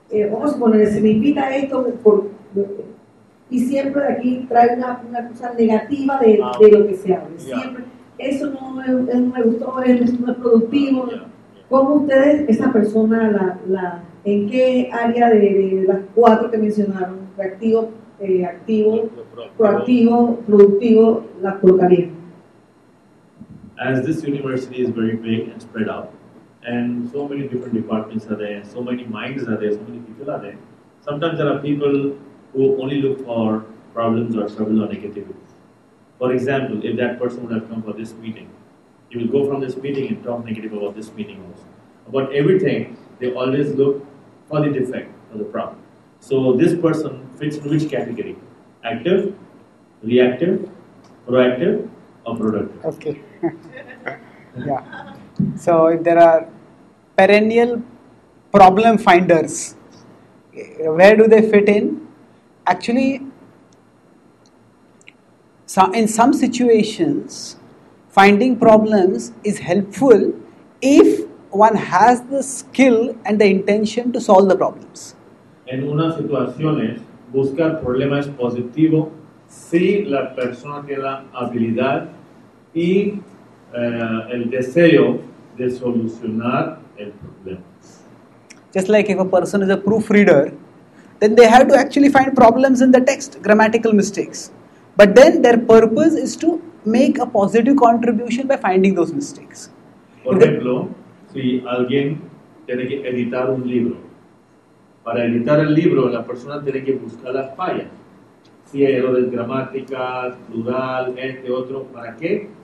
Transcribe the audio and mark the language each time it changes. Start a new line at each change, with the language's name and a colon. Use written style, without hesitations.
Spanish: Vamos a poner, se me invita a esto por, y siempre de aquí trae una cosa negativa de lo que se habla. Yeah. Siempre. Eso no me gustó, eso no es productivo. Yeah. ¿Cómo ustedes, esa persona, ¿en qué área de las cuatro que mencionaron, reactivo, activo, proactivo, productivo, la colocaría?
English: As this university is very big and spread out, and so many different departments are there, so many minds are there, so many people are there, sometimes there are people who only look for problems or trouble or negativity. For example, if that person would have come for this meeting, he will go from this meeting and talk negative about this meeting also. About everything, they always look for the defect, for the problem. So this person fits in which category? Active, reactive, proactive, or productive? Okay. Yeah. So if there are perennial problem finders, where do they fit in? Actually, in some situations, finding problems is helpful if one has the skill and the intention to solve the problems.
Spanish: En unas situaciones, buscar problemas es positivo si la persona tiene la habilidad y el deseo de solucionar el problema.
English: Just like if a person is a proofreader, then they have to actually find problems in the text, grammatical mistakes. But then their purpose is to make a positive contribution by finding those mistakes.
Spanish: Por ejemplo, si alguien tiene que editar un libro, para editar el libro la persona tiene que buscar las fallas, si hay errores gramáticas, plural, este, otro, ¿para qué?